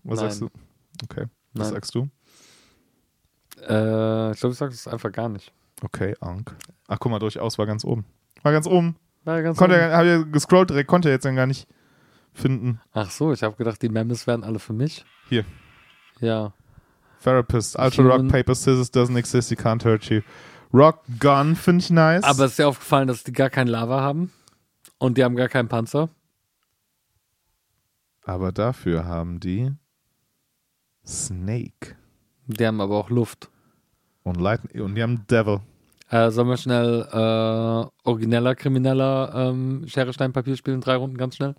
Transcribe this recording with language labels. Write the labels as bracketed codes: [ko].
[de] Was sagst du? Okay, was sagst du? Ich glaube, ich sage es einfach gar nicht. Okay, Ank. Ach, guck mal, Durchaus war ganz oben. War ganz oben. War ganz konnte oben. Ja, habe ja gescrollt direkt, konnte er jetzt dann gar nicht finden. Ach so, ich habe gedacht, die Memes wären alle für mich. Hier. Ja. [en] Therapist, Ultra Rock, Paper, Scissors doesn't exist, he can't hurt you. [de] Rock Gun finde ich nice. Aber es ist dir aufgefallen, dass die gar kein Lava haben und die haben gar keinen Panzer. Aber dafür haben die Snake. Die haben aber auch Luft. Und Lightning, und die haben Devil. Sollen wir schnell origineller, krimineller Schere, Stein, Papier spielen, drei Runden ganz schnell?